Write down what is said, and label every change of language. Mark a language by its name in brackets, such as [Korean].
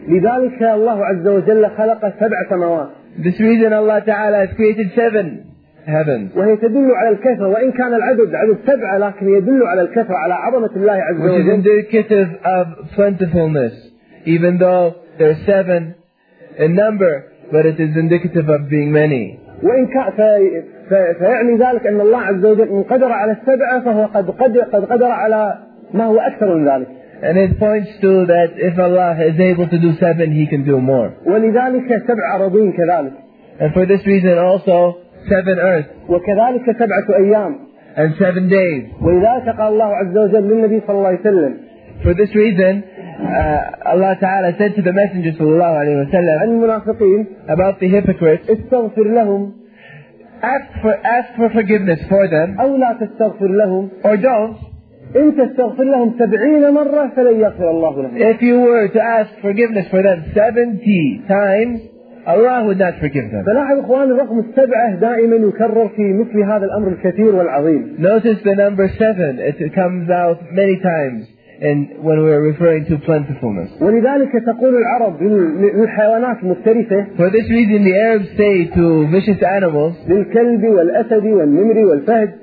[Arabic] لذلك الله عز وجل خلق سبع سماوات. [English] This reason Allah Ta'ala has created seven heavens. [Arabic] وهي تدل على الكثرة وإن كان العدد عدد سبعة لكن يدل على الكثرة على عظمة الله عز وجل. [English] Which is indicative of plentifulness, even though there are seven in number, but it is indicative of being many. [Arabic] وإن كان فيعني ذلك أن الله عز وجل إن قدر على السبعة فهو قد قدر على ما هو أكثر من ذلك. [English] And it points to that if Allah is able to do seven, He can do more. [Arabic] ولذلك سبع أراضين كذلك. [English] And for this reason also seven earths. [Arabic] وكذلك سبعة أيام. [English] And seven days. [Arabic] ولذلك قال الله عز وجل للنبي صلى الله عليه وسلم. [English] For this reason, Allah Ta'ala said to the Messenger [Arabic] صلى الله عليه وسلم. عن المنافقين. [English] About the hypocrites. [Arabic] استغفر لهم. [English] Ask for forgiveness for them. [Arabic] أو لا تستغفر لهم. [English] Or don't. [Arabic] إن تستغفر لهم سبعين مرة فلن يغفر الله لهم. [English] If you were to ask forgiveness for them 70 times, Allah would not forgive them. [Arabic] فلاحظ إخواني الرقم السبعة دائما يكرر في مثل هذا الأمر الكثير والعظيم. [English] Notice the number seven. It comes out many times in when we are referring to plentifulness. [Arabic] ولذلك تقول العرب للحيوانات المفترسة. [English] For this reason, the Arabs say to vicious animals. [Arabic] للكلب والأسد والنمر والفهد.